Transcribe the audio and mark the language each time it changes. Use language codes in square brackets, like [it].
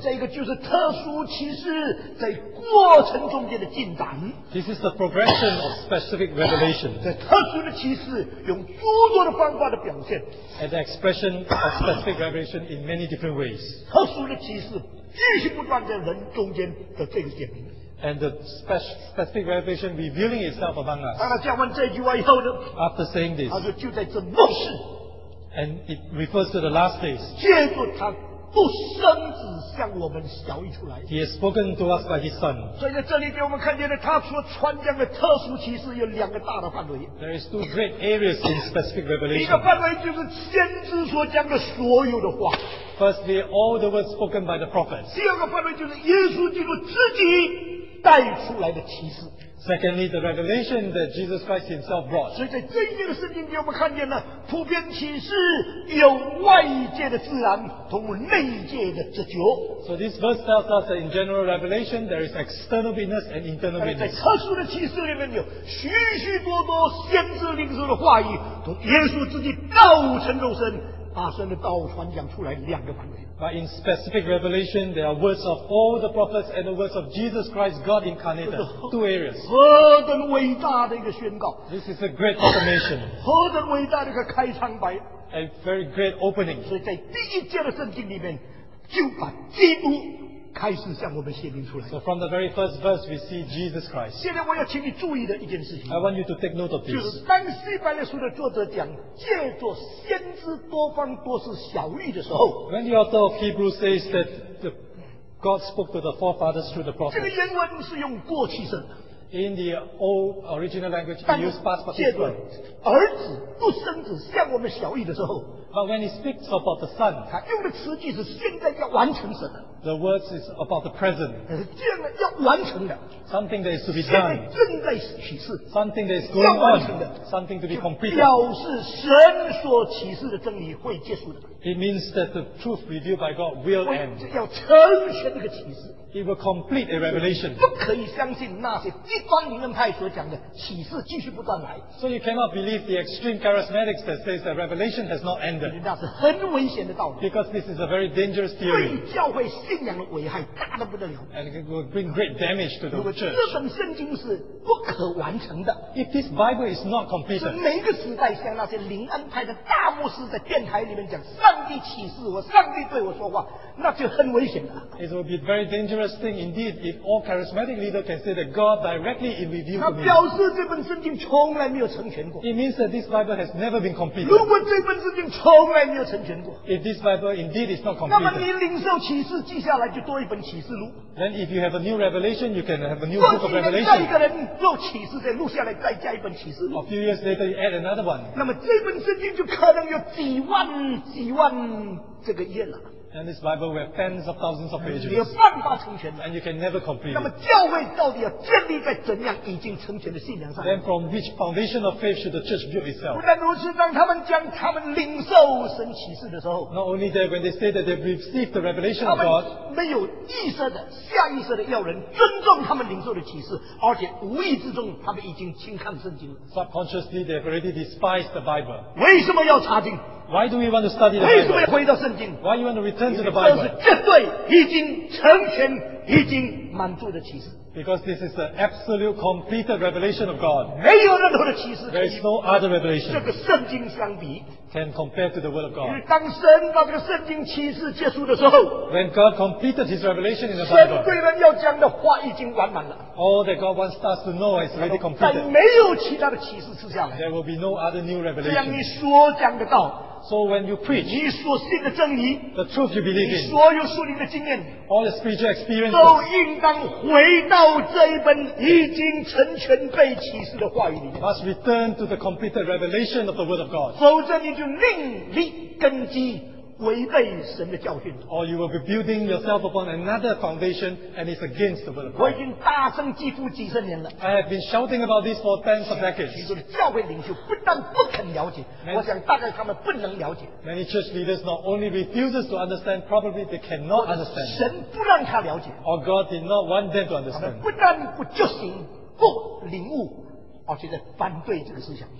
[zh] 这个就是特殊启示在过程中间的进展。 [en] This is the progression of specific revelation. [zh] 在特殊的启示用多多的方法的表现。 [en] As the expression of specific revelation in many different ways. [zh] 特殊的启示继续不断在人中间的这个显明。 [en] And the specific revelation revealing itself among us. [zh] 当他讲完这句话以后呢， [en] After saying this, [zh] 他说就在这末世。 [en] And it refers to the last days. [zh] 借着他独生子向我们晓谕出来。 [en] He has spoken to us by his son. [zh] 所以在这里给我们看见了他所传讲的特殊启示有两个大的范围。 [en] There is two great areas in specific revelation. [zh] 一个范围就是先知所讲的所有的话。 [en] Firstly, all the words spoken by the prophets. [zh] 第二个范围就是耶稣基督自己带出来的启示。 [en] Secondly, the revelation that Jesus Christ himself brought. [zh] 所以在这一节的圣经里我们看见了普遍启示有外界的自然同内界的自觉。 [en] So this verse tells us that in general revelation, there is external witness and internal witness. [zh] 在特殊的启示里面有许许多多先知领受的话语同耶稣自己道成肉身把神的道传讲出来两个版本。 [en] But in specific revelation, there are words of all the prophets and the words of Jesus Christ, God incarnated. Two areas. [zh] 何等伟大的一个宣告。 [en] This is a great proclamation. [zh] 何等伟大的一个开场白。 [en] A very great opening. [zh] 所以在第一节的圣经里面，就把基督开始向我们显明出来。 [en] So from the very first verse, we see Jesus Christ. [zh] 现在我要请你注意的一件事情。 [en] I want you to take note of this. [zh] 就是当希伯来书的作者讲借着先知多方多次晓谕的时候 [en] ，When the author of Hebrews says that God spoke to the forefathers through the prophets， [zh] 这个原文是用过去式。 [en] In the old original language, he used past participle. [zh] 儿子独生子向我们晓谕的时候。 [en] But when he speaks about the Son, [zh] 他用的词句是现在要完成神的。 [en] The words is about the present. [zh] 是将来要完成的。 [en] Something that is to be done. [zh] 现在正在启示。 [en] Something that is going on. [zh] 要完成的。 [en] Something to be completed. [zh] 表示神所启示的真理会结束的。 [en] It means that the truth revealed by God will end. [zh] 要成全这个启示。 [en] It will complete a revelation. [zh] 不可以相信那些一般灵恩派所讲的启示继续不断来。 [en] So you cannot believe the extreme charismatics that says that revelation has not ended. [zh] 那是很危险的道理。 [en] Because this is a very dangerous theory. [zh] 对教会信仰的危害大得不得了。 [en] And it will bring great damage to the church. [zh] 如果这本圣经是不可完成的 [en] ，If this Bible is not completed, [zh] 是每个时代像那些灵恩派的大牧师在电台里面讲上帝启示我，上帝对我说话，那就很危险了。 [en] It will be a very dangerous thing indeed if all charismatic leaders can say that God directly in review to me. [zh] 那表示这本圣经从来没有成全过。 [en] It means that this Bible has never been completed. [zh] 如果这本圣经从来没有成全过 [en] ，If this Bible indeed is not completed, [zh] 那么你领受启示记下来就多一本启示录。 [en] Then if you have a new revelation, you can have a new book of revelation. [zh] 过去你再一个人做启示，再录下来，再加一本启示录。 [en] A few years later, you add another one. [zh] 那么这本圣经就可能有几万几万这个页了。 [en] And this Bible will have tens of thousands of pages. [zh] 没有办法成全的。 [en] And you can never complete. [zh] 那么教会到底要建立在怎样已经成全的信仰上 [en] ？Then from which foundation of faith should the church build itself？ [zh] 不但如此，当他们将他们领受神启示的时候 [en] ，Not only that, when they say that they've received the revelation of God， [zh] 他们没有意识的、下意识的要人尊重他们领受的启示，而且无意之中他们已经轻看圣经了。 [en] Subconsciously, they've already despised the Bible. [zh] 为什么要查经？ [en] Why do we want to study the Bible? [zh] 为什么要回到圣经 [en] ？Why you want to return to the Bible? [zh] 这是绝对已经成全、已经满足的启示。 [en] Because this is the absolute completed revelation of God. [zh] 没有任何的启示。 [en] There is no other revelation. [zh] 这个圣经相比 [en] ，can compare to the Word of God. [zh] 因为当神把这个圣经启示结束的时候 [en] ，when God completed His revelation in the Bible, [zh] 神对人要讲的话已经完满了。 [en] All that God wants us to know is already completed. [zh] 但没有其他的启示出现了。 [en] There will be no other new revelation. [zh] 这样你所讲的道。 [en] So when you preach, [zh] 你所信的真理 [en] the truth you believe in, [zh] 你所有属灵的经验 [en] all the spiritual experiences, [zh] 都应当回到这一本已经成全被启示的话语里 [en] must return to the completed revelation of the word of God. [zh] 否则你就另立根基违背神的教训 [en] or you will be building yourself upon another foundation and it's against the word of God. [zh] 我已经大声疾呼几十年了 [en] I have been shouting about this for tens of decades. [zh] 许多的教会领袖不但不肯了解 many, 我想大概他们不能了解 [en] many church leaders not only refuses to understand probably they cannot understand [zh] 神不让他了解 [en] or God did not want them to understand [zh] 他们不但不觉醒不领悟而且在反对这个思想